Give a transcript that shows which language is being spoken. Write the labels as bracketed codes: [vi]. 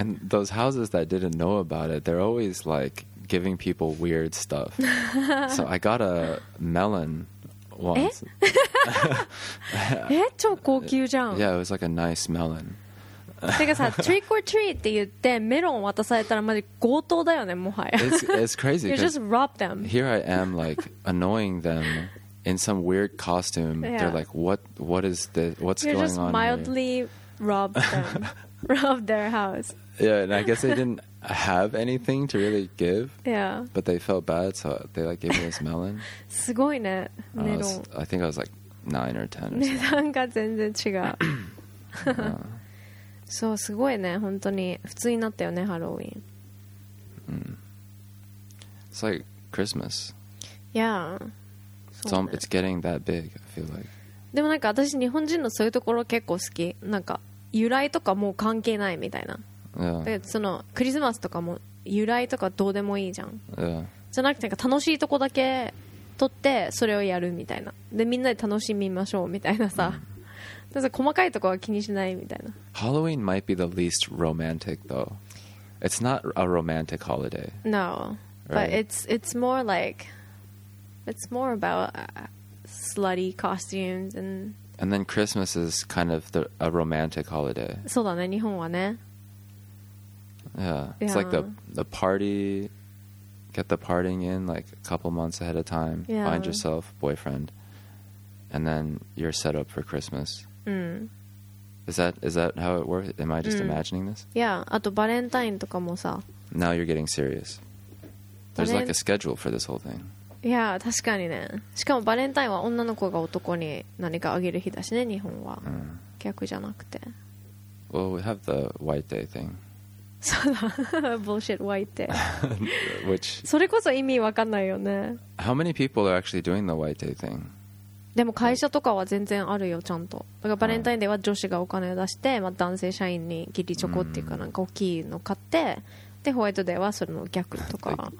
[en] And those houses that didn't know about it, they're always like giving people weird stuff. So I got a melon once. [ja] え？え？超高級じゃん。 [en] Yeah, it was like a nice melon. [ja] てかさ、trick or treat って言ってメロンを渡されたらマジ強盗だよね、もはや。 [en] It's crazy. You just rob them. Here I am like annoying them in some weird costume. Yeah. They're like, what is this? What's You're going on? You just mildly robbed them. robbed their house. Yeah, and I guess they didn't have anything to really give. Yeah. But they felt bad, so they like gave me this melon. [ja] すごいね、メロン。 [en] I think I was like 9 or 10 or [ja] something. 値段が全然違う。そう、すごいね、本当に普通になったよね、ハロウィン。 [en] It's like Christmas. Yeah. So it's getting that big, I feel like. [ja] でもなんか私日本人のそういうところ結構好き。なんか由来とかもう関係ないみたいな。 [en] Yeah. [ja] でそのクリスマスとかも由来とかどうでもいいじゃん。 [en] Yeah. [ja] じゃなくてなんか楽しいとこだけ撮ってそれをやるみたいな。でみんなで楽しみましょうみたいなさ。 Mm. 細かいとこは気にしないみたいな。 [en] Halloween might be the least romantic though. It's not a romantic holiday. No, but it's more like it's more about slutty costumes and then Christmas is kind of a romantic holiday. [ja] そうだね、日本はね。 [en] Yeah, it's like the party, get the partying in like a couple months ahead of time, find yourself boyfriend, and then you're set up for Christmas. うん、 is that how it works? Am I just imagining this? [ja] Yeah, あとバレンタインとかもさ。 [en] Now you're getting serious. There's like a schedule for this whole thing. [ja] Yeah, 確かにね。しかもバレンタインは女の子が男に何かあげる日だしね、日本は。逆じゃなくて。 [en] Well, we have the white day thing. [ja] そうだ。 [en] Bullshit white day. Which? [ja] それこそ意味わかんないよね。 [en] How many people are actually doing the white day thing? [ja] でも会社とかは全然あるよ、ちゃんと。だからバレンタインデーは女子がお金を出して、まあ、男性社員にギリチョコっていうかなんか大きいの買って、でホワイトデーはそれの逆とか。